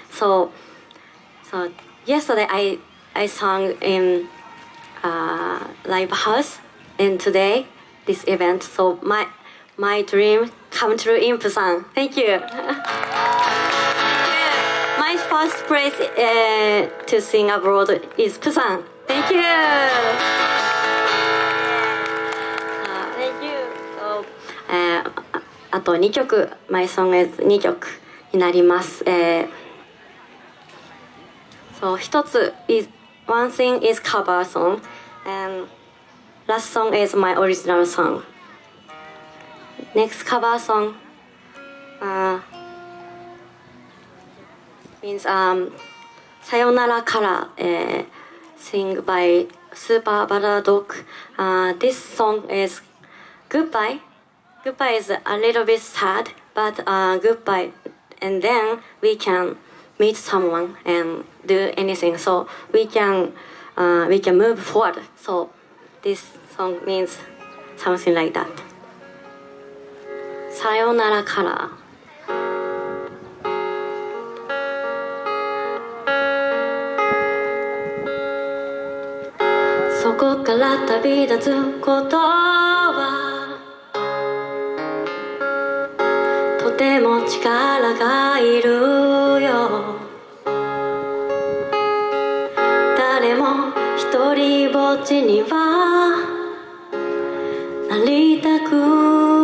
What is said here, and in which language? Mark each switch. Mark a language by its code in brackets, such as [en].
[en] So yesterday I sang in live house, and today this event. So my dream come true in Busan. Thank you. My first place to sing abroad is Busan. Thank you. Thank you. [ja] So, あと2曲、 [en] My song is [ja] 2曲になります。 [en] So, [ja] 一つ [en] is one thing is cover song, and last song is my original song. Next cover song means Sayonara Kara, sing by Super Baradok. This song is Goodbye. Goodbye is a little bit sad, but goodbye. And then we can meet someone and do anything. So we can move forward. So this song means something like that. [ja] さよならカラーそこから旅立つことはとても力がいるよ誰も一人ぼっちにはなりたく